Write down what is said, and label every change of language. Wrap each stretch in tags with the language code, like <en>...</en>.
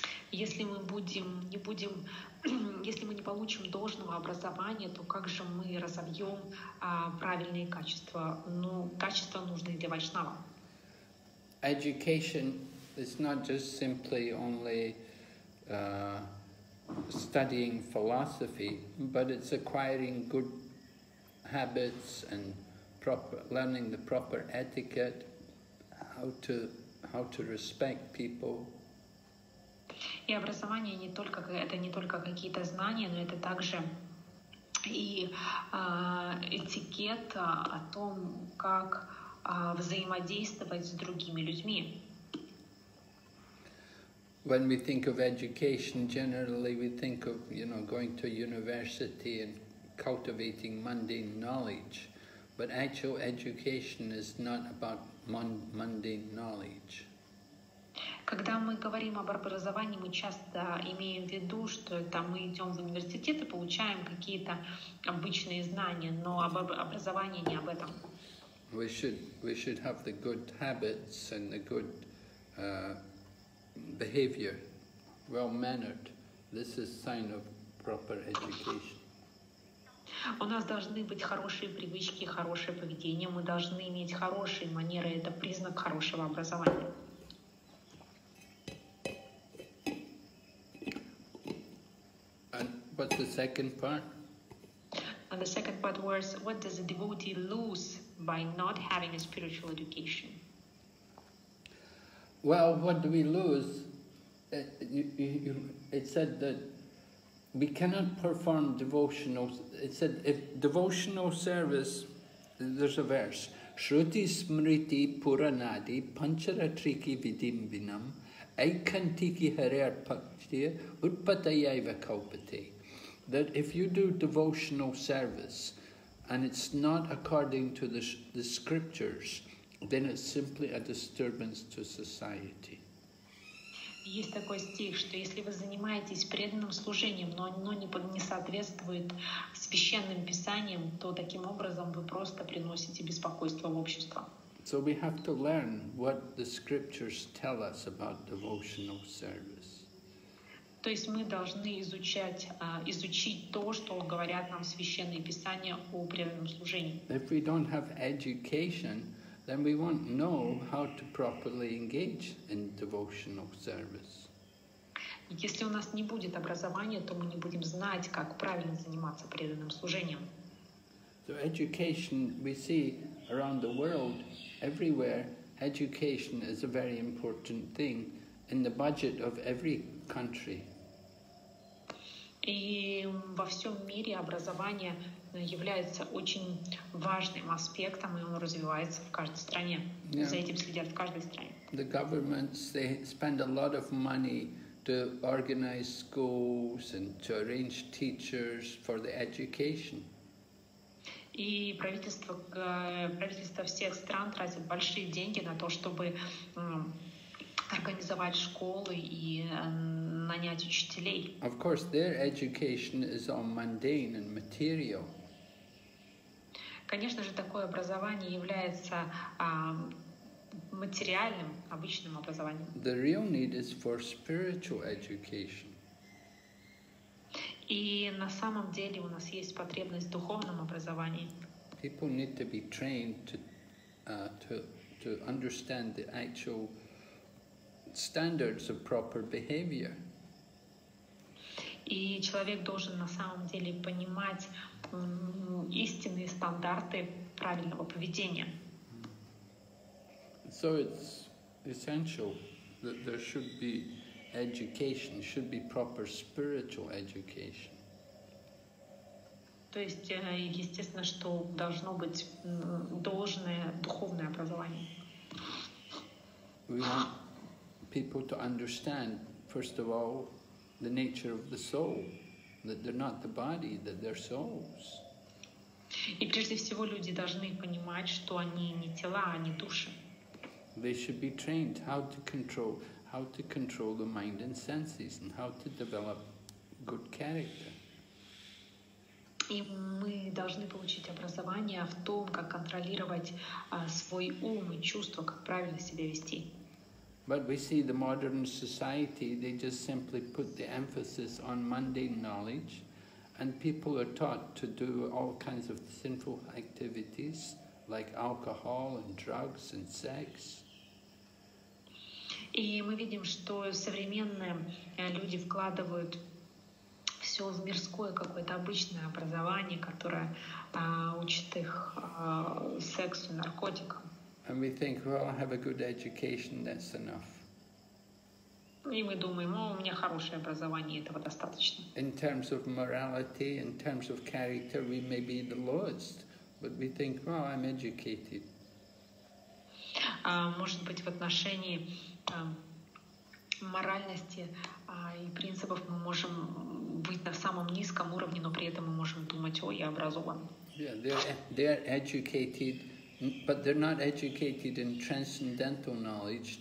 <ru>Если мы не получим должного образования, то как же мы разовьем правильные качества? Ну, качества нужны для Вайшнава.</ru> <en>Education is not just simply only studying philosophy, but it's acquiring good habits and proper learning the proper etiquette, how to respect people.</en> <ru>И образование не только это не только какие-то знания, но это также и этикет о том, как взаимодействовать с другими людьми.</ru> <en>When we think of education, generally we think of, you know, going to university and cultivating mundane knowledge. But actual education is not about mundane knowledge.</en> <ru>Когда мы говорим об образовании, мы часто имеем в виду, что это мы идем в университет и получаем какие-то обычные знания, но об образовании не об этом.</ru> <en>We should have the good habits and the good behavior, well-mannered. This is sign of proper education.</en> <ru>У нас должны быть хорошие привычки, хорошее поведение. Мы должны иметь хорошие манеры. Это признак хорошего образования.</ru> <en>And what's the second part? And the second part was, what does a devotee lose by not having a spiritual education? Well, what do we lose? It said that we cannot perform devotional. It said if devotional service, there's a verse:</en> <sa>Shruti Smriti Puranadi Pancharatriki Vidimbinam Aikantiki Harer Pakti Utpatayaiva Kaupati.</sa> <en>That if you do devotional service and it's not according to the scriptures, then it's simply a disturbance to society.</en> <ru>Есть такой стих, что если вы занимаетесь преданным служением, но оно не соответствует священным писаниям, то таким образом вы просто приносите беспокойство в общество.</ru> <en>So we have to learn what the scriptures tell us about devotional service.</en> <ru>То есть мы должны изучить то, что говорят нам священные писания о преданном служении.</ru> <en>If we don't have education, then we won't know how to properly engage in devotional service.</en> <ru>Если у нас не будет образования, то мы не будем знать, как правильно заниматься преданным служением.</ru> <en>So education, we see around the world, everywhere, education is a very important thing in the budget of every country.</en> <ru>И во всем мире образование является очень важным аспектом, и он развивается в каждой стране. Yeah. За этим следят в каждой стране.</ru> <en>The governments, they spend a lot of money to organize schools and to arrange teachers for the education.</en> <ru>И правительства всех стран тратят большие деньги на то, чтобы организовать школы и нанять учителей.</ru> <en>Of course, their education is all mundane and material.</en> <ru>Конечно же, такое образование является материальным, обычным образованием.</ru> <en>The real need is for spiritual education.</en> <ru>И на самом деле у нас есть потребность в духовном образовании.</ru> <en>People need to be trained to understand the actual standards of proper behavior.</en> <ru>И человек должен на самом деле понимать истинные стандарты правильного поведения.</ru> <en>So it's essential that there should be education, should be proper spiritual education.</en> <ru>То есть, естественно, что должно быть должное духовное образование.</ru> <en>We want people to understand, first of all, the nature of the soul, that they're not the body, that they're souls.</en> <ru>И прежде всего люди должны понимать, что они не тела, а не души.</ru> <en>They should be trained how to control the mind and senses and how to develop good character.</en> <ru>И мы должны получить образование в том, как контролировать свой ум и чувства, как правильно себя вести.</ru> <en>But we see the modern society, they just simply put the emphasis on mundane knowledge, and people are taught to do all kinds of sinful activities like alcohol and drugs and sex.</en> <ru>И мы видим, что современные люди вкладывают все в мирское какое-то обычное образование, которое учит их сексу, наркотикам.</ru> <en>And we think, well, I have a good education, that's enough.</en> <ru>И мы думаем, у меня хорошее образование, этого достаточно.</ru> <en>In terms of morality, in terms of character, we may be the lowest, but we think, well, I'm educated.</en> <ru>Может быть, в отношении моральности и принципов мы можем быть на самом низком уровне, но при этом мы можем думать, я образован.</ru> <en>Yeah, they're educated. But they're not educated in transcendental knowledge.</en>